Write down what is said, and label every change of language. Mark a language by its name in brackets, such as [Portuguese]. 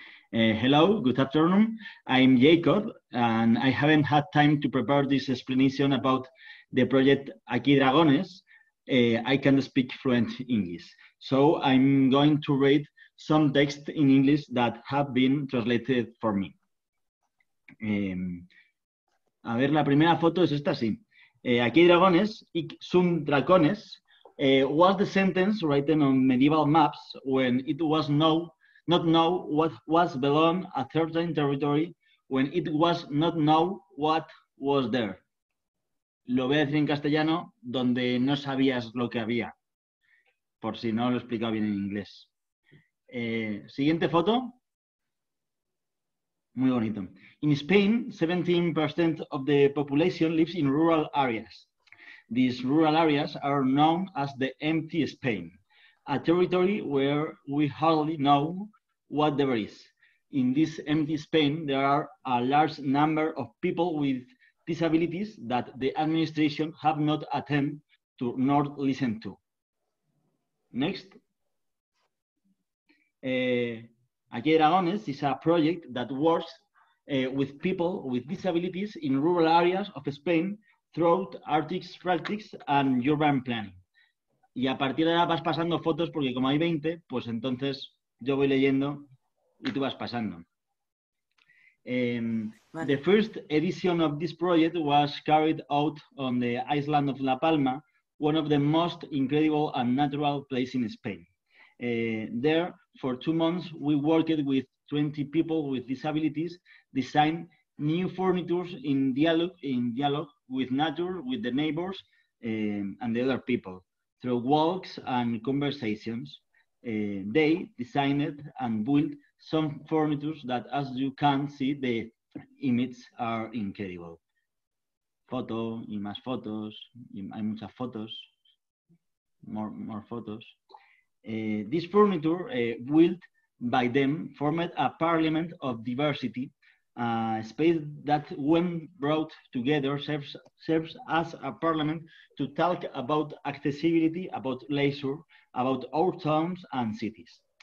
[English] Hello, good afternoon. I'm Jacob, and I haven't had time to prepare this explanation about the project Aquí Dragones. I can't speak fluent English, so I'm going to read some text in English that have been translated for me. [Spanish] A ver, la primera foto es esta, sí. [English] Aquí Dragones, ik sum dracones, was the sentence written on medieval maps when it was not know what was belong a certain territory, when it was not know what was there. [Spanish] Lo voy a decir en castellano, donde no sabías lo que había, por si no lo he explicado bien en inglés. Siguiente foto. Muy bonito. [English] In Spain, 17% of the population lives in rural areas. These rural areas are known as the empty Spain, a territory where we hardly know what there is. In this empty Spain, there are a large number of people with disabilities that the administration have not attempted to nor listen to. Next. Aquí Dragones is a project that works with people with disabilities in rural areas of Spain throughout Arctic practice and urban planning. [Spanish] Y a partir de ahora vas pasando fotos porque como hay 20, pues entonces yo voy leyendo y tú vas pasando. [English] The first edition of this project was carried out on the island of La Palma, one of the most incredible and natural places in Spain. There, for 2 months, we worked with 20 people with disabilities, designed new furnitures in dialogue with nature, with the neighbors and the other people, through walks and conversations. They designed and built some furnitures that, as you can see, the images are incredible. [Spanish] Photo, y más fotos, y hay muchas fotos, [English] more photos. This furniture, built by them, formed a parliament of diversity, a space that, when brought together, serves as a parliament to talk about accessibility, about leisure, about our towns and cities.